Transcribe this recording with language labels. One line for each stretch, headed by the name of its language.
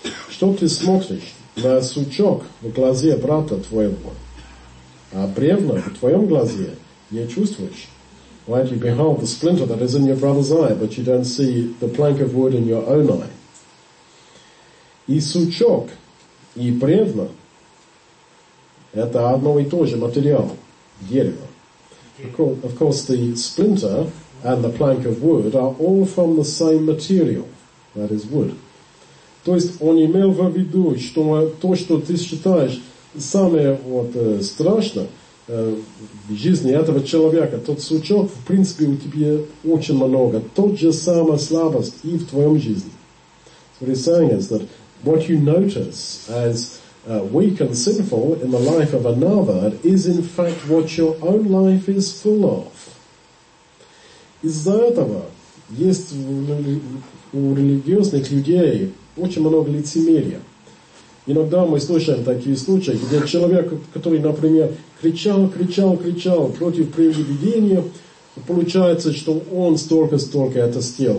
Russian: Что ты смотришь на сучок в глазе брата твоего, а бревно в твоем глазе не чувствуешь?
English: Right, you behold the splinter that is in your brother's eye, but you don't see the plank of wood in your own eye.
Russian: И сучок, и бревно — это одно и то же материал, дерево.
English: Of course, the splinter and the plank of wood are all from the same material, that is wood.
Russian: То есть он имел в виду, что то, что ты считаешь самое вот страшное в жизни этого человека, тот сучок, в принципе, у тебя очень много. Тот же самая слабость и в твоем жизни.
English: So what he's saying is that what you notice as weak and sinful in the life of another is in fact what your own life is full of.
Russian: Из-за этого есть у религиозных людей очень много лицемерия. Иногда мы слышим такие случаи, где человек, который, например, кричал против привидения, получается, что он столько это сделал.